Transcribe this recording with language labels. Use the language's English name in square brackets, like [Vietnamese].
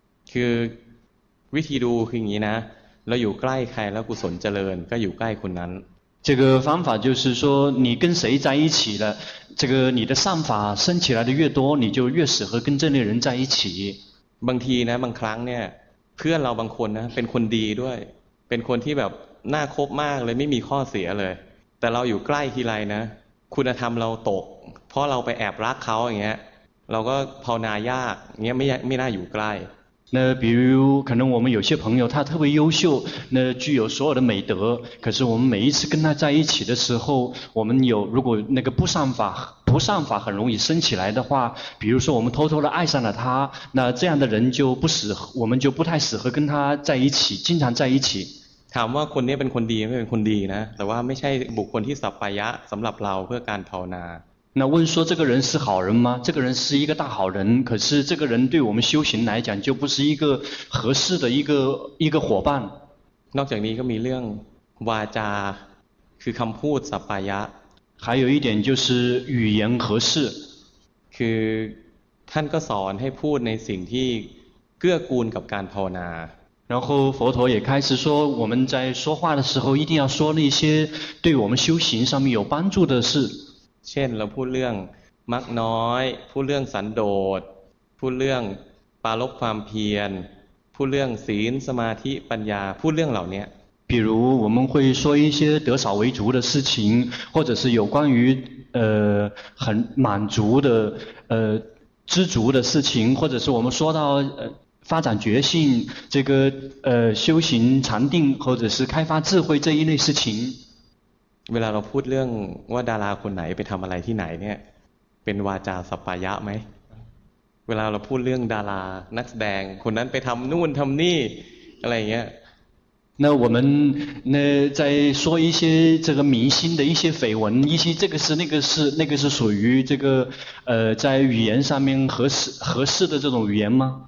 [Thai] คือวิธีดูคืออย่างนี้นะเราอยู่ใกล้ใครแล้วกุศลเจริญก็อยู่ใกล้คนนั้น [Chinese] 这个方法就是说你跟谁在一起了这个你的善法升起来的越多你就越适合跟这类人在一起 [Thai] บางทีนะบางครั้งเนี่ยเพื่อนเราบางคนนะเป็นคนดีด้วยเป็นคนที่แบบน่าคบมากเลยไม่มีข้อเสียเลยแต่เราอยู่ใกล้ทีไรนะคุณธรรมเราตกเพราะเราไปแอบรักเขาอย่างเงี้ยเราก็ภาวนายากเงี้ยไม่น่าอยู่ใกล้ [Chinese] 那比如可能我们有些朋友他特别优秀那具有所有的美德可是我们每一次跟他在一起的时候我们有如果那个不善法很容易升起来的话比如说我们偷偷的爱上了他那这样的人就不适合我们就不太适合跟他在一起经常在一起 [Thai] ถามว่าคนนี้เป็นคนดีไม่เป็นคนดีนะแต่ว่าไม่ใช่บุคคลที่สัปปายะสำหรับเราเพื่อการภาวนา [Chinese] 那问说这个人是好人吗？这个人是一个大好人，可是这个人对我们修行来讲就不是一个合适的一个伙伴。 [Thai] นอกจากนี้ก็มีเรื่องวาจาคือคำพูดสัปปายะ [Chinese] 还有一点就是语言合适 [Thai] คือท่านก็สอนให้พูดในสิ่งที่เกื้อกูลกับการภาวนา [Chinese] 然后佛陀也开始说我们在说话的时候一定要说那些对我们修行上面有帮助的事 [Thai] เช่นเราพูดเรื่องมักน้อยพูดเรื่องสันโดษพูดเรื่องปารภความเพียรพูดเรื่องศีลสมาธิปัญญาพูดเรื่องเหล่านี้ [Chinese] 比如我们会说一些得少为足的事情或者是有关于很满足的知足的事情或者是我们说到发展觉性这个修行禅定或者是开发智慧这一类事情 [Thai] เวลาเราพูดเรื่องว่าดาราคนไหนไปทำอะไรที่ไหนเนี่ยเป็นวาจาสัปปายะไหมเวลาเราพูดเรื่องดารานักแสดงคนนั้นไปทำนู่นทำนี่อะไรเงี้ย [Chinese] 那我们那在说一些这个明星的一些绯闻一些这个是那个是那个是属于这个在语言上面合适的这种语言吗